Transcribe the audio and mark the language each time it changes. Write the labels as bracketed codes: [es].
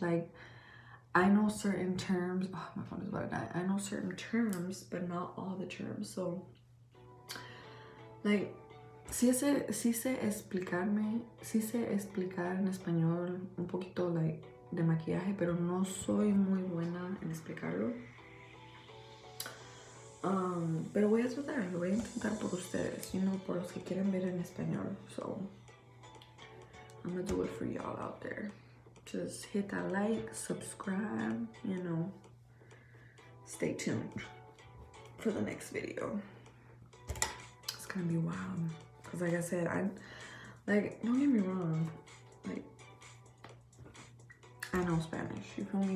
[en] Like, I know certain terms. Oh, my phone is about to die. I know certain terms, but not all the terms. [es] So, like, si sé explicar en español un poquito, like, de maquillaje, pero no soy muy buena en explicarlo. Pero voy a tratar, lo voy a intentar por ustedes, [en] you know, [es] por los que quieren ver en español. [en] So, I'm gonna do it for y'all out there. Just hit that like, subscribe, you know. Stay tuned for the next video. It's gonna be wild. Cause like I said, don't get me wrong. Like, I know Spanish, you feel me?